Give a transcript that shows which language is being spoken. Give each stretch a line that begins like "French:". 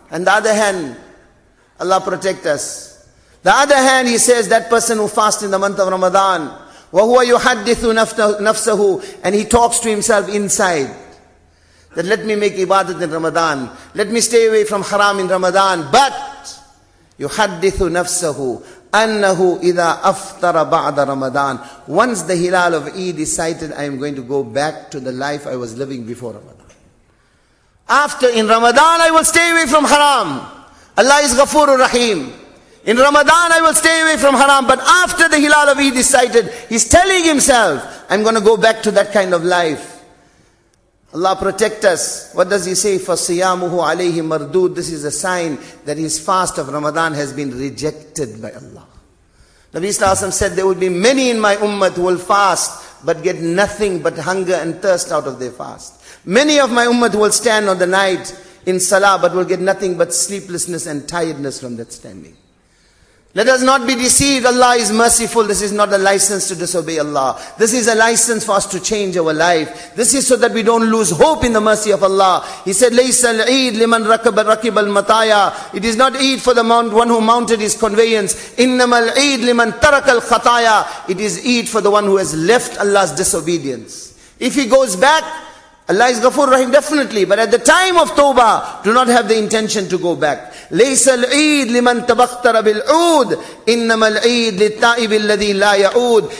English: And the other hand, Allah protect us. The other hand, he says, that person who fasts in the month of Ramadan,
Arabic: وَهُوَ يُحَدِّثُ نَفْسَهُ.
English: And he talks to himself inside, that let me make ibadat in Ramadan. Let me stay away from haram in Ramadan. But,
Arabic: يُحَدِّثُ نَفْسَهُ أَنَّهُ إِذَا أَفْتَرَ بَعْدَ Ramadan.
English: Once the hilal of Eid is sighted, I am going to go back to the life I was living before Ramadan. After, in Ramadan, I will stay away from haram. Allah is Ghafurur Rahim. In Ramadan, I will stay away from haram. But after the hilal of Eid is sighted, he's telling himself, I'm going to go back to that kind of life. Allah protect us. What does he say?
Arabic: فَصِيَامُهُ عَلَيْهِ مَرْدُودٌ.
English: This is a sign that his fast of Ramadan has been rejected by Allah. Nabi Sallallahu Alaihi Wasallam said, there will be many in my ummah who will fast, but get nothing but hunger and thirst out of their fast. Many of my ummah will stand on the night in salah, but will get nothing but sleeplessness and tiredness from that standing. Let us not be deceived. Allah is merciful. This is not a license to disobey Allah. This is a license for us to change our life. This is so that we don't lose hope in the mercy of Allah. He said,
Arabic: لَيْسَ الْعِيدِ لِمَنْ رَكِبَ الْمَطَايَا.
English: It is not Eid for the one who mounted his conveyance.
Arabic: إِنَّمَا الْعِيدِ لِمَنْ تَرَكَ الْخَطَايَا.
English: It is Eid for the one who has left Allah's disobedience. If he goes back, Allah is Ghafur Rahim, definitely. But at the time of Tawbah, do not have the intention to go back.
Arabic: لَيْسَ الْعِيدِ لِمَنْ تَبَخْتَرَ بِالْعُودِ إِنَّمَا الْعِيدِ لِلْتَائِبِ الَّذِي لَا يَعُودِ.